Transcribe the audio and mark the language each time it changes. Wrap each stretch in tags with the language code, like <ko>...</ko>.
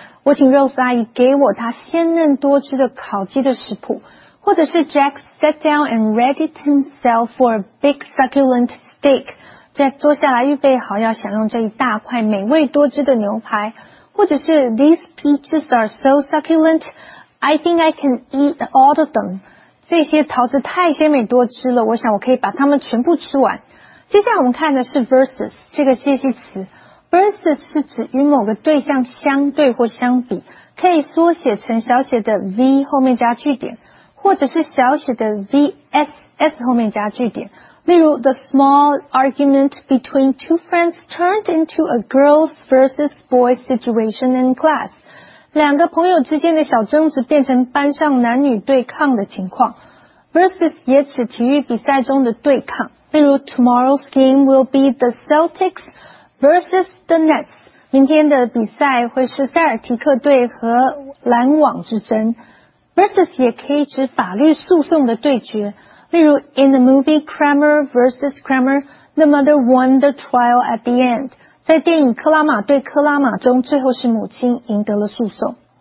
<zh>我请 Rose 阿姨给我她鲜嫩多汁的烤鸡的食谱。或者是</zh> <en>Jack sat down and readied himself for a big succulent steak。</en> <zh>Jack 坐下来预备好要享用这一大块美味多汁的牛排。或者是</zh> <en>These peaches are so succulent, I think I can eat all of them.</en> <zh>这些桃子太鲜美多汁了，我想我可以把它们全部吃完。接下来我们看的是 versus 这个介系词。versus 是指与某个对象相对或相比，可以缩写成小写的 V 后面加句点，或者是小写的 VSS 后面加句点。例如</zh> <en>The small argument between two friends turned into a girls versus boys situation in class.</en> <zh>两个朋友之间的小争执变成班上男女对抗的情况。</zh> <en>versus</en> <zh>也指体育比赛中的对抗。例如</zh> <en>Tomorrow's game will be the Celtics versus the Nets.</en> <zh>明天的比赛会是塞尔提克队和篮网之争。 versus 也可以指法律诉讼的对决。例如 ,</zh> <en>in the movie Kramer vs. Kramer, the mother won the trial at the end.</en> <zh>在电影克拉玛对克拉玛中最后是母亲赢得了诉讼。</zh>